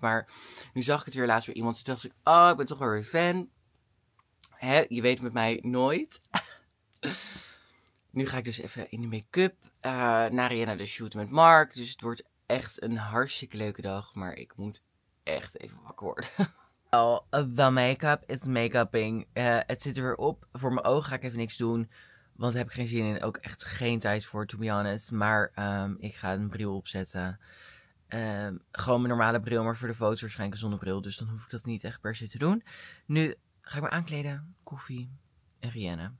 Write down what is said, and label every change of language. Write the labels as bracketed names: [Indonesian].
[Dutch] Maar nu zag ik het weer laatst bij iemand. Toen dacht ik, oh, ik ben toch wel weer fan. Hè, je weet met mij nooit. Nu ga ik dus even in de make-up. Naar Rienne de shoot met Mark. Dus het wordt echt een hartstikke leuke dag. Maar ik moet echt even wakker worden. [English] Well, the make-up is make-upping. [Dutch] Het zit er weer op. Voor mijn ogen ga ik even niks doen. Want daar heb ik geen zin in. Ook echt geen tijd voor, [English] to be honest. [Dutch] Maar ik ga een bril opzetten. Gewoon mijn normale bril. Maar voor de foto's waarschijnlijk een zonnebril. Dus dan hoef ik dat niet echt per se te doen. Nu ga ik me aankleden. Koffie. En Rienne.